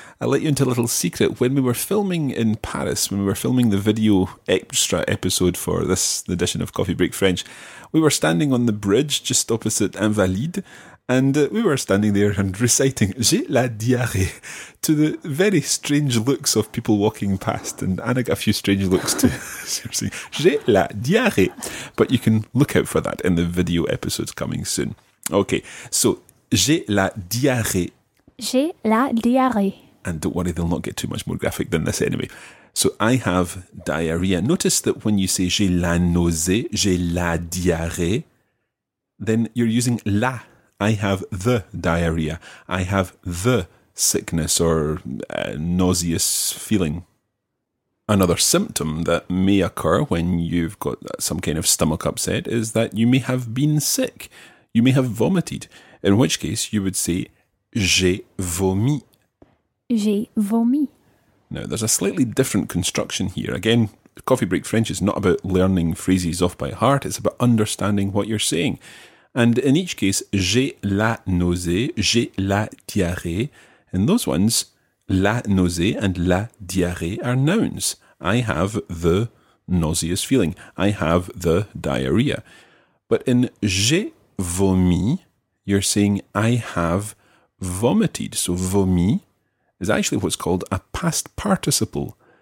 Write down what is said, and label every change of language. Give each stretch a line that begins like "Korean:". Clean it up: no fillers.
English: I'll let you into a little secret. When we were filming in Paris, when we were filming the video extra episode for this edition of Coffee Break French, we were standing on the bridge just opposite Invalides, and we were standing there and reciting,
French: j'ai la diarrhée,
English: to the very strange looks of people walking past. And Anna got a few strange looks too. Seriously,
French: j'ai la diarrhée.
English: But you can look out for that in the video episodes coming soon. Okay, so,
French: j'ai la diarrhée. J'ai la diarrhée.
English: And don't worry, they'll not get too much more graphic than this anyway. So, I have diarrhea. Notice that when you say,
French: j'ai la nausée, j'ai la diarrhée,
English: then you're using la. I have the diarrhea. I have the sickness or nauseous feeling. Another symptom that may occur when you've got some kind of stomach upset is that you may have been sick. You may have vomited. In which case, you would say,
French: j'ai vomi. J'ai vomi.
English: Now, there's a slightly different construction here. Again, Coffee Break French is not about learning phrases off by heart. It's about understanding what you're saying. And in each case,
French: j'ai la nausée, j'ai la diarrhée.
English: In those ones, la nausée and la diarrhée are nouns. I have the nauseous feeling. I have the diarrhea. But in
French: j'ai vomi,
English: you're saying I have vomited. So vomi is actually what's called a past participle.